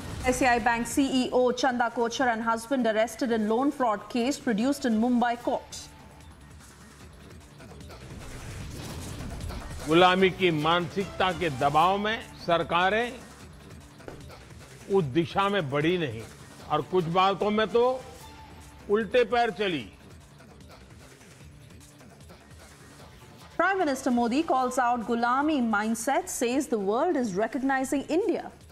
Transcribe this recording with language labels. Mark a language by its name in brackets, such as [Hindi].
[English] SBI Bank CEO Chanda Kochhar and husband arrested in loan fraud case produced in Mumbai court. [Hindi] गुलामी की मानसिकता के दबाव में सरकारें उस दिशा में बढ़ी नहीं और कुछ बातों में तो उल्टे पैर चली। [English] Prime Minister Modi calls out gulami mindset, says the world is recognizing India.